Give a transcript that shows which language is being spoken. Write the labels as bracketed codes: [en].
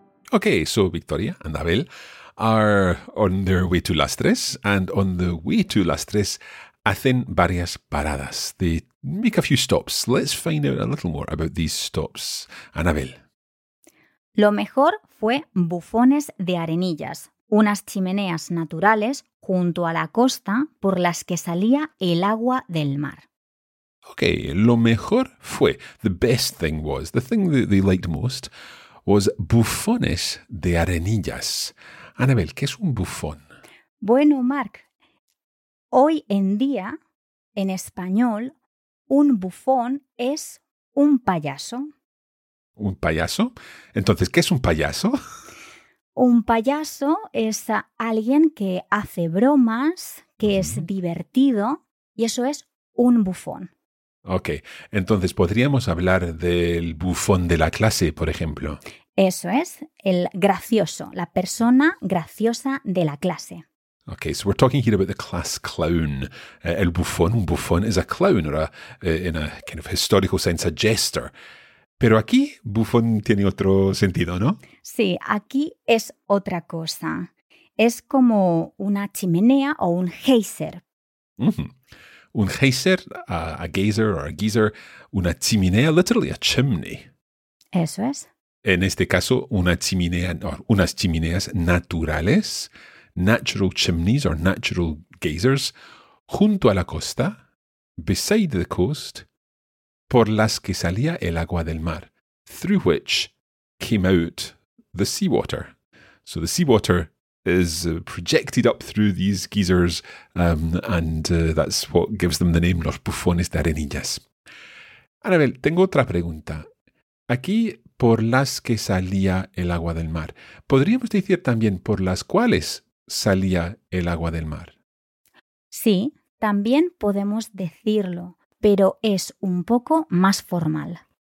[en] Okay, so Victoria and Abel are on their way to Las Tres, and on the way to Las Tres, [es] hacen varias paradas. [en] They make a few stops. Let's find out a little more about these stops. Anabel. [es] Lo mejor fue bufones de arenillas, unas chimeneas naturales junto a la costa por las que salía el agua del mar. [en] Okay, [es] lo mejor fue, [en] the best thing was, the thing that they liked most, was bufones de arenillas. [es] Anabel, ¿qué es un bufón? Bueno, Mark, hoy en día, en español, un bufón es un payaso. ¿Un payaso? Entonces, ¿qué es un payaso? Un payaso es alguien que hace bromas, que es divertido, y eso es un bufón. Ok, entonces podríamos hablar del bufón de la clase, por ejemplo. Eso es, el gracioso, la persona graciosa de la clase. [en] Okay, so we're talking here about the class clown. El bufón, un bufón is a clown, or a, in a kind of historical sense, a jester. [es] Pero aquí, bufón tiene otro sentido, ¿no? Sí, aquí es otra cosa. Es como una chimenea o un geyser. [en] Mm-hmm. Un geyser, a geyser or a geyser, una chimenea, literally a chimney. [es] Eso es. En este caso, una chimenea, o unas chimeneas naturales. [en] Natural chimneys or natural geysers, [es] junto a la costa, [en] beside the coast, [es] por las que salía el agua del mar, [en] through which came out the seawater. So the seawater is projected up through these geysers, that's what gives them the name, los bufones de arenillas. [es] Anabel, tengo otra pregunta. Aquí, por las que salía el agua del mar, podríamos decir también por las cuales salía el agua del mar. Sí, también podemos decirlo, pero es un poco más formal.